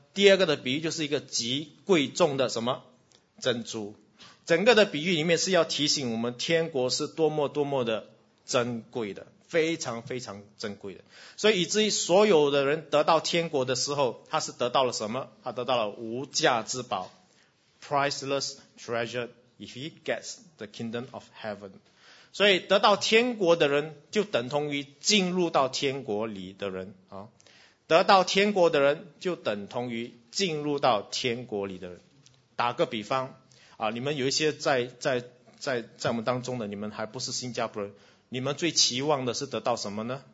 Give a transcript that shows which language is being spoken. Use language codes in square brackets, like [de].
[zh] 第二个的比喻就是一个极贵重的什么珍珠。整个的比喻里面是要提醒我们，天国是多么多么的珍贵的，非常非常珍贵的。所以以至于所有的人得到天国的时候，他是得到了什么？他得到了无价之宝 [en] priceless treasure if he gets the kingdom of heaven。 [zh] 所以得到天国的人就等同于进入到天国里的人啊。得到天国的人就等同于进入到天国里的人。打个比方啊，你们有一些在我们当中的，你们还不是新加坡人，你们最期望的是得到什么呢？